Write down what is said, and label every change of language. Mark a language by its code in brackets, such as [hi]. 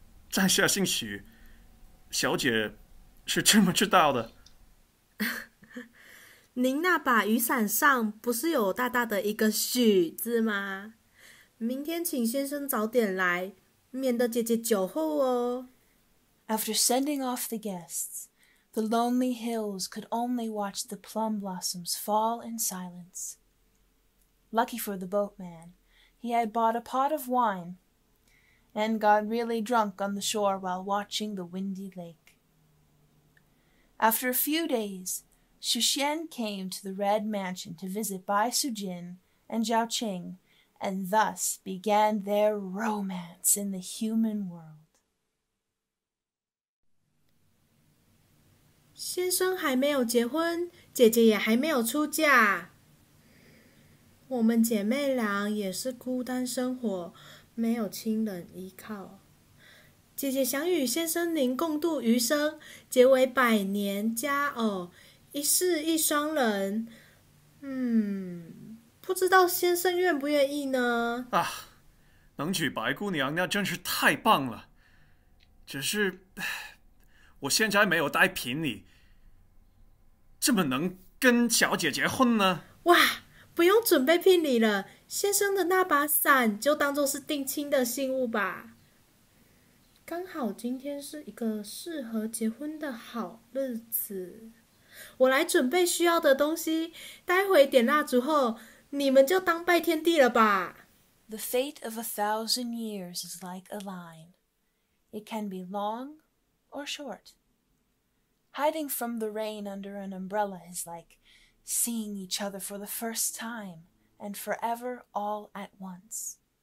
[zh] 在下姓许，小姐是这么知道的。您那把雨伞上不是有大大的一个许字吗？明天请先生早点来，免得姐姐久候哦。 [en] After sending off the guests, the lonely hills could only watch the plum blossoms fall in silence. Lucky for the boatman, he had bought a pot of wine and got really drunk on the shore while watching the windy lake. After a few days, Xu Xian came to the Red Mansion to visit Bai Su Jin and Zhao Qing, and thus began their romance in the human world. [zh] 先生还没有结婚，姐姐也还没有出嫁，我们姐妹俩也是孤单生活，没有亲人依靠。姐姐想与先生您共度余生，结为百年佳偶，一世一双人。嗯，不知道先生愿不愿意呢？啊，能娶白姑娘那真是太棒了，只是我现在没有带聘礼，怎么能跟小姐结婚呢？哇，不用准备聘礼了，先生的那把伞就当作是定亲的信物吧。刚好今天是一个适合结婚的好日子，我来准备需要的东西，待会点蜡烛后，你们就当拜天地了吧。 [en] The fate of a thousand years is like a line. It can be long or short. Hiding from the rain under an umbrella is like seeing each other for the first time and forever all at once.